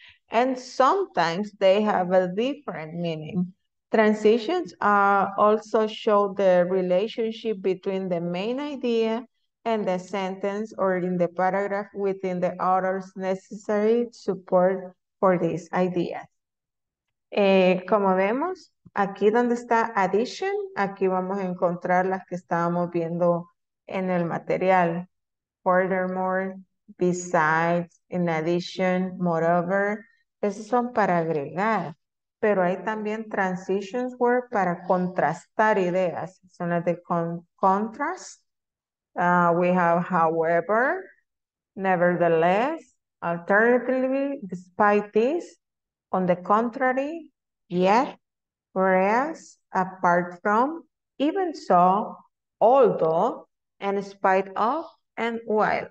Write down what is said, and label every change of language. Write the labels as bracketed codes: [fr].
[en] And sometimes they have a different meaning. Transitions also show the relationship between the main idea and the sentence or in the paragraph within the order's necessary support for this idea. [es] Como vemos, aquí donde está addition, aquí vamos a encontrar las que estábamos viendo en el material. [en] Furthermore, besides, in addition, moreover, [es] esos son para agregar. Pero hay también [en] transitions word [es] para contrastar ideas. Son las de contrast. [en] We have however, nevertheless, alternatively, despite this, on the contrary, yet, whereas, apart from, even so, although, and spite of, and while.